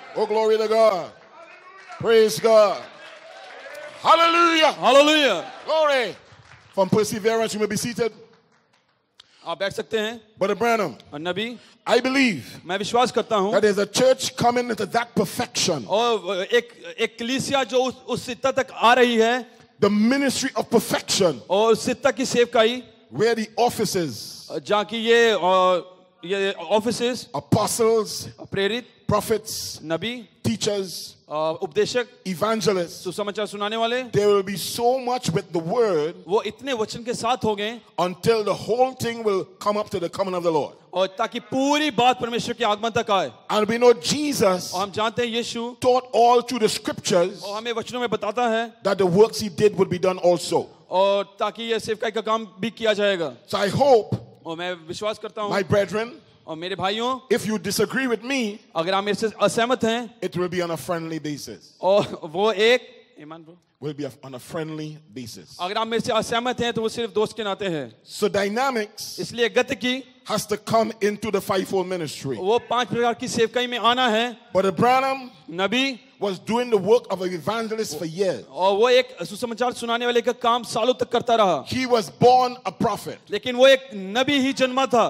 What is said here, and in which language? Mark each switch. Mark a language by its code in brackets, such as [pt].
[en] Oh glory to God. Praise God. Hallelujah. Hallelujah. Glory. From perseverance, you may be seated. [hi] आप बैठ सकते हैं [en] Brother Branham, [hi] Nabi [en] I believe [hi] मैं विश्वास करता हूं [en] that there's a church coming to that perfection [hi] और एक एकलीसिया जो उस स्थिति तक आ रही है [en] the ministry of perfection [hi] और स्थिति की सेवकाई [en] where the offices [hi] जहां की ये ये offices [en] apostles [hi] प्रेरित [en] prophets [hi] नबी [en] teachers [hi] उपदेशक [en] evangelists [hi] सुसमाचार सुनाने वाले [en] there will be so much with the word [hi] वो इतने वचन के साथ हो गए [en] until the whole thing will come up to the coming of the lord [hi] और ताकि पूरी बात परमेश्वर के आगमन तक आए [en] and we know jesus [hi] हम जानते हैं यीशु [en] taught all through the scriptures [hi] और हमें वचनों में बताता है [en] that the works he did would be done also [hi] और ताकि ये सेवकाई का काम भी किया जाएगा [en] so I hope [hi] और मैं विश्वास करता हूं [en] my brethren [hi] और मेरे भाइयों [en] if you disagree with me [hi] अगर आप मेरे से असहमत हैं [en] it will be on a friendly basis [hi] और वो एक ईमान bro [en] will be on a friendly basis [hi] अगर आप मेरे से असहमत हैं तो वो सिर्फ दोस्त के नाते हैं [en] so dynamics [hi] इसलिए गतिकी [en] has to come into the fivefold ministry [hi] वो पांच प्रकार की सेवकाई में आना है [en] but Branham [hi] Nabi [en] was doing the work of an evangelist for years [hi] और वो एक सुसमाचार सुनाने वाले का काम सालों तक करता रहा [en] he was born a prophet [hi] लेकिन वो एक नबी ही जन्मा था